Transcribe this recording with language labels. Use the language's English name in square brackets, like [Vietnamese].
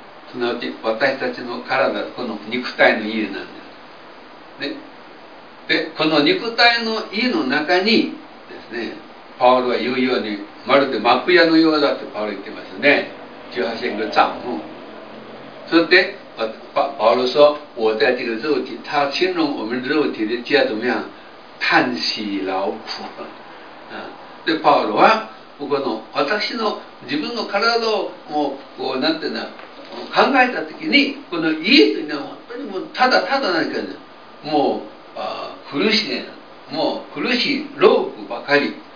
[Japanese] すなわち私たちの体、この肉体の家なんです。で、この肉体の家の中にですね、パウロは言うようにまるで幕屋のようだとパウロ言ってますね、18節の帳篷。 [Chinese] そしてパウロ说我在这个肉体、他形容我们肉体的家怎么样、叹息劳苦。 [Japanese] でパウロはこの私の自分の体をもうこうなんていうんだ、考えた時にこの家というのは本当にもうただただ何かもう苦しい労苦ばかり、